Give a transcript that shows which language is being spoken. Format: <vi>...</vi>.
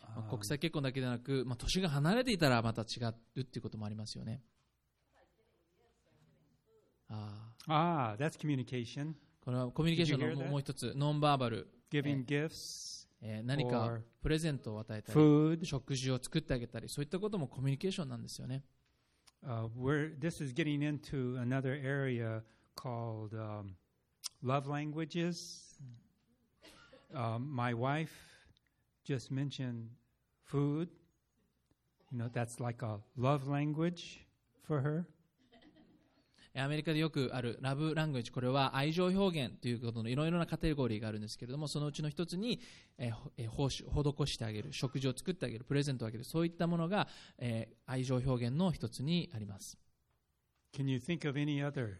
<ja>国際結婚だけでなく、まあ、年が離れていたらまた違うっていうこともありますよね。</ja> <en>ああ、that's communication.</en> <ja>これはコミュニケーションのもう一つ、ノンバーバル。</ja> <en>Giving gifts,</en> <ja>何かプレゼントを与えたり、</ja> <en>food,</en> <ja>食事を作ってあげたり、そういったこともコミュニケーションなんですよね。</ja> <en>This is getting into another area called, Love languages. My wife just mentioned food. You know, that's like a love language for her.</en> <ja>アメリカでよくあるラブラングエッジ、これは愛情表現ということのいろいろなカテゴリーがあるんですけれども、そのうちの一つに、奉仕を施してあげる、食事を作ってあげる、プレゼントをあげる、そういったものが、愛情表現の一つにあります。</ja> <en>Can you think of any other?</en>